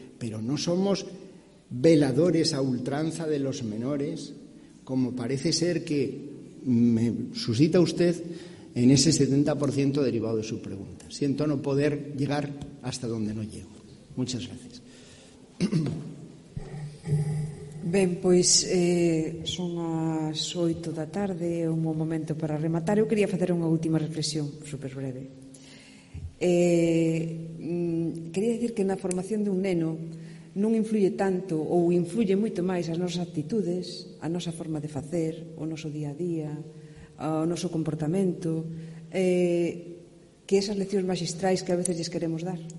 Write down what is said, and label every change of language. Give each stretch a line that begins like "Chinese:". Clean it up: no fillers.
Spanish: Pero no somos veladores a ultranza de los menores, como parece ser que me suscita usted en ese 70% derivado de su pregunta. Siento no poder llegar hasta donde no llego. Muchas gracias.
Galician: Ben, pois son as 8 da tarde, é un bom momento para rematar. Eu quería facer unha última reflexión, super breve. Quería dicir que na formación de un neno non influye tanto ou influye moito máis as nosas actitudes, a nosa forma de facer, o noso día a día, o noso comportamento, que esas leccións magistrais que a veces lles queremos dar.